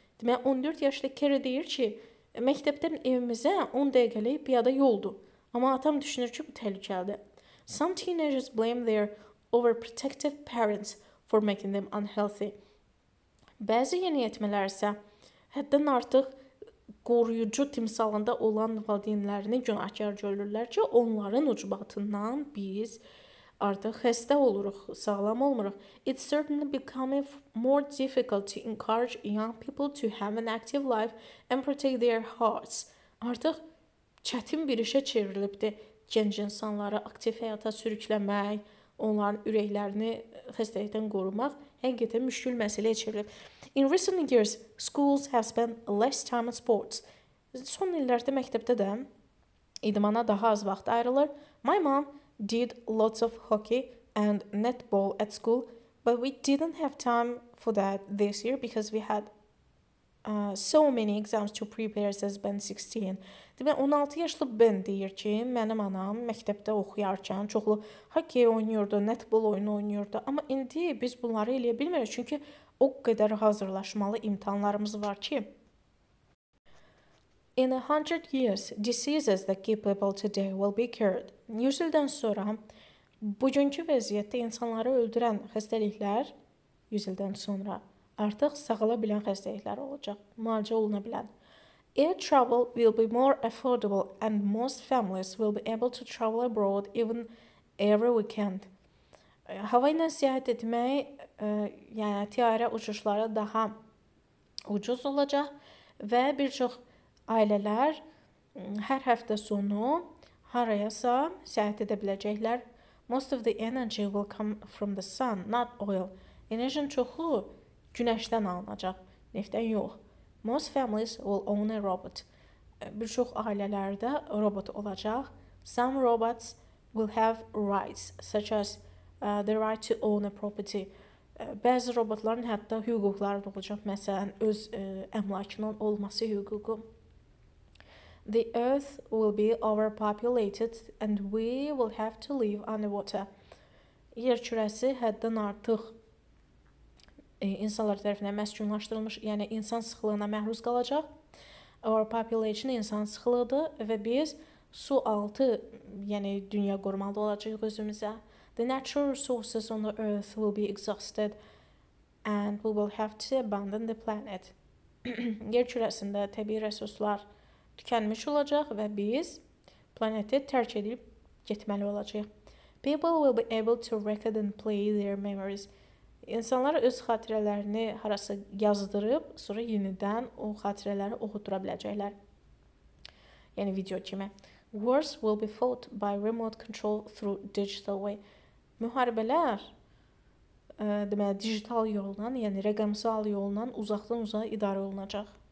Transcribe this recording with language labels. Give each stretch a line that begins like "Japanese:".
Azerbaijani: Demək, 14 yaşlı Carrie deyir ki, məktəbdən evimizə 10 dəqiqəlik piyada yoldur. Amma atam düşünür ki, bu təhlükəlidir.
English: Some teenagers blame their overprotective parents for making them unhealthy.
Azerbaijani: Bəzi yeni yetmələr isə həddən artıq qoruyucu timsalında olan valideynlərini günahkar görürlər ki, onların ucbatından biz artıq xəstə oluruq, sağlam olmuruq.
English: It's certainly becoming more difficult to encourage young people to have an active life and protect their hearts.
Azerbaijani: Artıq çətin bir işə çevrilibdir gənc insanları aktiv həyata sürükləmək, onların ürəklərini xəstəlikdən qorumaq. Həqiqətən müşkül məsələyə çevrilib.
English: In recent years, schools have spent less time on sports.
Azerbaijani: Son illərdə məktəbdə də idmana daha az vaxt ayrılır.
English: My mom did lots of hockey and netball at school, but we didn't have time for that this year because we had so many exams to prepare, says Ben 16.
Azerbaijani: Demə 16 yaşlı Ben deyir ki, mənim anam məktəbdə oxuyarkən çoxlu hockey oynayırdı, netball oyunu oynayırdı. Amma indi biz bunları eləyə bilmirik, çünki o qədər hazırlaşmalı imtihanlarımız var ki.
English: In 100 years, diseases that keep people today will be cured.
Azerbaijani: 100 ildən sonra, bugünkü vəziyyətdə insanları öldürən xəstəliklər 100 ildən sonra artıq sağala bilən xəstəliklər olacaq, müalicə oluna bilən.
English: Air travel will be more affordable and most families will be able to travel abroad even every weekend.
Azerbaijani: Hava ilə səyahət etmək, yəni təyyarə uçuşları daha ucuz olacaq və bir çox ailələr hər həftə sonu harayasa səyahət edə biləcəklər.
English: Most of the energy will come from the sun, not oil.
Azerbaijani: Enerjinin çoxu günəşdən alınacaq, neftdən yox.
English: Most families will own a robot.
Azerbaijani: Bir çox ailələrdə robot olacaq.
English: Some robots will have rights, such as the right to own a property.
Azerbaijani: Bəzi robotların hətta hüquqları da olacaq, məsələn, öz əmlakının olması hüququ.
English: The earth will be overpopulated and we will have to live underwater.
Azerbaijani: Yer kürəsi həddən artıq insanlar tərəfindən məskunlaşdırılmış, yəni insan sıxlığına məruz qalacaq.
English: Our population
Azerbaijani: insan sıxlığıdır və biz su altı, yəni dünya qorumalı olacaq özümüzə.
English: The natural resources on the earth will be exhausted and we will have to abandon the planet.
Azerbaijani: Yer kürəsində təbii resurslar tükənmiş olacaq və biz planeti tərk edib getməli olacaq.
English: People will be able to record and play their memories.
Azerbaijani: İnsanlar öz xatirələrini harasa yazdırıb, sonra yenidən o xatirələri oxudura biləcəklər. Yəni video kimi.
English: Wars will be fought by remote control through digital way.
Azerbaijani: Müharibələr deməli digital yolla, yəni rəqəmsal yolla uzaqdan uzağa idarə olunacaq.